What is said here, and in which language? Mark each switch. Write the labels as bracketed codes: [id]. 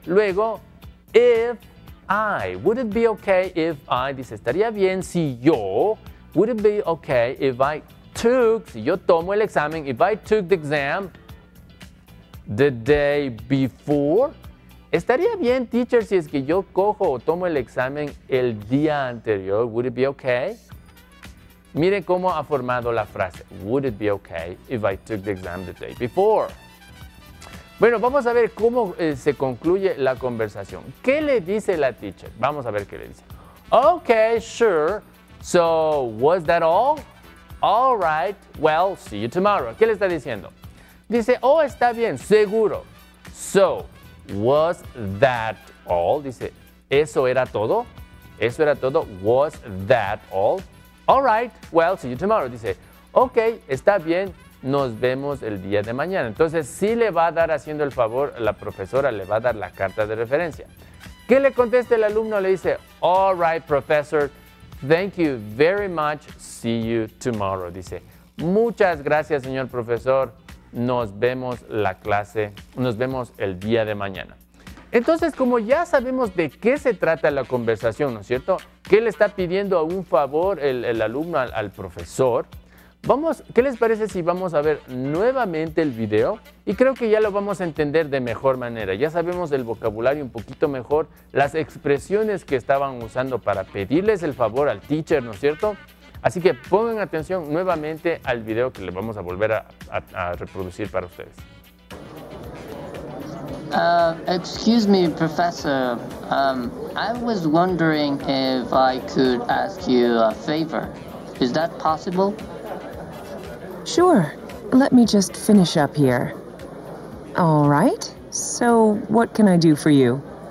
[es] Luego, [en] if I, would it be okay if I, [es] dice, estaría bien si yo, [en] would it be okay if I took, [es] si yo tomo el examen, [en] if I took the exam the day before? [es] ¿Estaría bien, teacher, si es que yo cojo o tomo el examen el día anterior? [en] Would it be okay? [es] Mire cómo ha formado la frase. [en] Would it be okay if I took the exam the day before? [es] Bueno, vamos a ver cómo se concluye la conversación. ¿Qué le dice la teacher? Vamos a ver qué le dice. [en] Okay, sure. So, was that all? All right. Well, see you tomorrow. [es] ¿Qué le está diciendo? Dice, oh, está bien, seguro. [en] So, was that all? [es] Dice, ¿eso era todo? ¿Eso era todo? [en] Was that all? All right, well, see you tomorrow. [es] Dice, ok, está bien, nos vemos el día de mañana. Entonces, sí le va a dar haciendo el favor, la profesora le va a dar la carta de referencia. ¿Qué le contesta el alumno? Le dice, [en] all right, professor, thank you very much, see you tomorrow. [es] Dice, muchas gracias, señor profesor. Nos vemos la clase, nos vemos el día de mañana. Entonces, como ya sabemos de qué se trata la conversación, ¿no es cierto? ¿Qué le está pidiendo a un favor el alumno al profesor? Vamos, ¿qué les parece si vamos a ver nuevamente el video? Y creo que ya lo vamos a entender de mejor manera. Ya sabemos el vocabulario un poquito mejor, las expresiones que estaban usando para pedirles el favor al teacher, ¿no es cierto? Así que pongan atención nuevamente al video que le vamos a volver a reproducir para ustedes. [en] Excuse me, professor. I was wondering if I could ask you a favor. Is that possible? Sure. Let me just finish up here. All right. So, what can I do for you?